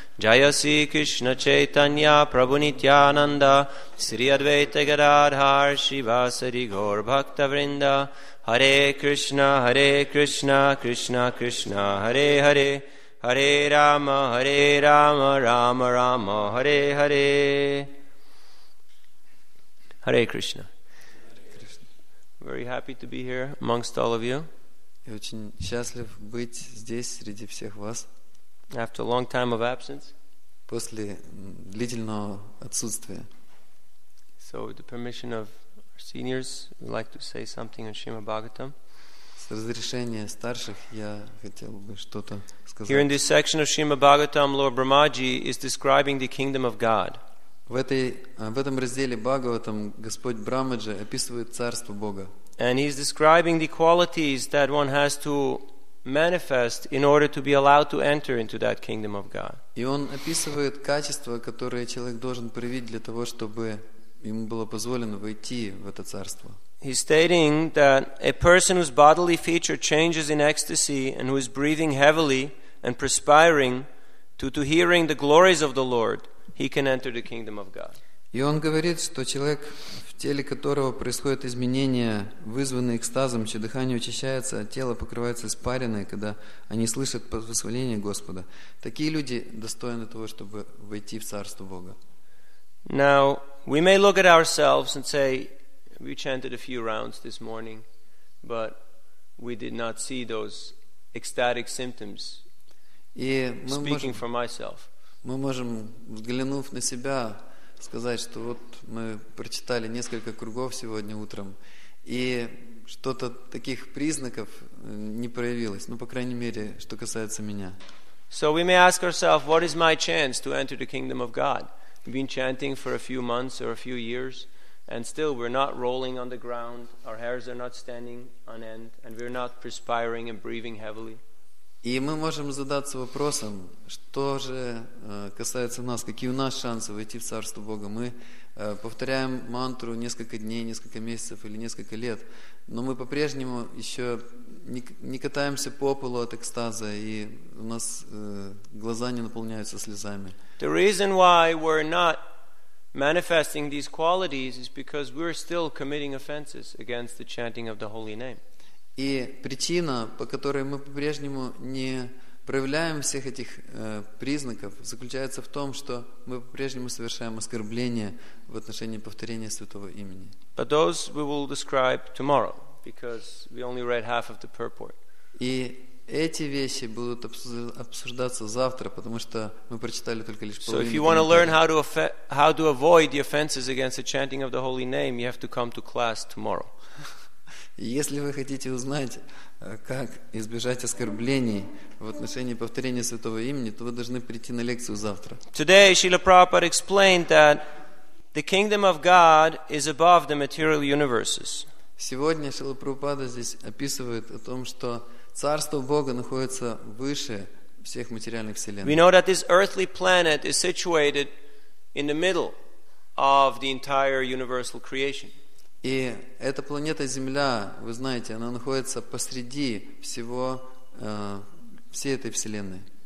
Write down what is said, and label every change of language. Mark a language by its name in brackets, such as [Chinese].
[Sanskrit] Джая Си Кришна Чайтанья Прабху Нитьянанда Сри Адвайта Гададхар Шивасади Гор Бхакта Вринда Харе Кришна, Харе Кришна, Кришна Кришна, Харе Харе, Харе Рама, Харе Рама, Рама Рама, Харе Харе. Харе Кришна. [English] Very happy to be here amongst all of you. [Russian] Я очень счастлив быть здесь среди всех вас. [English] After a long time of absence. [Russian] После длительного отсутствия. [English] So with the permission of our seniors, we'd like to say something on Shrimad Bhagavatam. [Russian] С разрешения старших я хотел бы что-то сказать. [English] Here in this section of Shrimad Bhagavatam, Lord Brahmaji is describing the kingdom of God. [Russian] В этом разделе Бхагаватам Господь Брахмаджи описывает царство Бога. [English] And he's describing the qualities that one has to manifest in order to be allowed to enter into that kingdom of God. [Russian] И он описывает качества, которые человек должен проявить для того, чтобы ему было позволено войти в это царство. [English] He's stating that a person whose bodily feature changes in ecstasy and who is breathing heavily and perspiring due to hearing the glories of the Lord, he can enter the kingdom of God. [Russian] И он говорит, что человек, в теле которого происходят изменения, вызванные экстазом, чье дыхание учащается, а тело покрывается испариной, когда они слышат восхваление Господа, такие люди достойны того, чтобы войти в Царство Бога. [English] Now, we may look at ourselves and say, we chanted a few rounds this morning, but we did not see those ecstatic symptoms. Speaking for myself. [Russian] Мы можем, взглянув на себя, сказать, что вот мы прочитали несколько кругов сегодня утром, и что-то таких признаков не проявилось, ну, по крайней мере, что касается меня. [English] So we may ask ourselves, what is my chance to enter the kingdom of God? We've been chanting for a few months or a few years, and still we're not rolling on the ground, our hairs are not standing on end, and we're not perspiring and breathing heavily. [Russian] И мы можем задаться вопросом, что же касается нас, какие у нас шансы войти в Царство Бога. Мы повторяем мантру несколько дней, несколько месяцев или несколько лет, но мы по-прежнему еще не катаемся по полу от экстаза, и у нас глаза не наполняются слезами. [English] The reason why we're not manifesting these qualities is because we're still committing offenses against the chanting of the holy name. [Russian] И причина, по которой мы по-прежнему не проявляем всех этих признаков, заключается в том, что мы по-прежнему совершаем оскорбления в отношении повторения Святого Имени. [English] But those we will describe tomorrow, because we only read half of the purport. [Russian] И эти вещи будут обсуждаться завтра, потому что мы прочитали только лишь половину. [English] So if you want to learn how to avoid the offenses against the chanting of the Holy Name, you have to come to class tomorrow. [Russian] Если вы хотите узнать, как избежать оскорблений в отношении повторения Святого Имени, то вы должны прийти на лекцию завтра. [English] Today Srila Prabhupada explained that the kingdom of God is above the material universes. [Russian] Сегодня Шрила Прабхупада здесь описывает о том, что Царство Бога находится выше всех материальных вселенных. [English] We know that this earthly planet is situated in the middle of the entire universal creation. [Russian] И эта планета Земля, вы знаете, она находится посреди всего всей этой вселенной.